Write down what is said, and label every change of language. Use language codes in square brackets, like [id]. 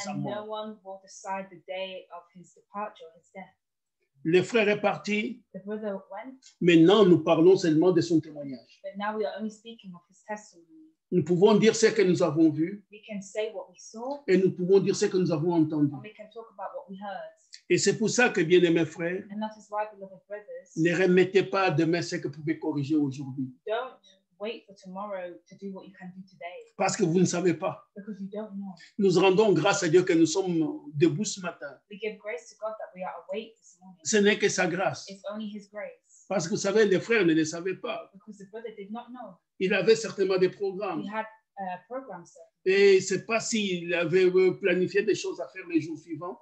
[en] and [fr] sa mort. [en] And no one will decide the day of his departure, his death. [fr] Le frère est parti. [en] The brother went. [fr] Maintenant, nous parlons seulement de son témoignage. [en] But now we are only speaking of his testimony. [fr] Nous pouvons dire ce que nous avons vu. [en] We can say what we saw. [fr] Et nous pouvons dire ce que nous avons entendu. [en] And we can talk about what we heard. [fr] Et c'est pour ça que, bien-aimés frères, [en] and that is why, beloved brothers, [fr] ne remettez pas demain ce que vous pouvez corriger aujourd'hui. [en] Don't wait for tomorrow to do what you can do today. [fr] Parce que vous ne savez pas. [en] Because you don't know. [fr] Nous rendons grâce à Dieu que nous sommes debout ce matin. [en] We give grace to God that we are awake this morning. [fr] Ce n'est que sa grâce. [en] It's only his grace. [fr] Parce que vous savez, les frères ne le savaient pas. [en] Because the brother did not know. [fr] Il avait certainement des programmes. [en] He had programs. [fr] Et c'est pas s'il avait planifié des choses à faire les jours suivants.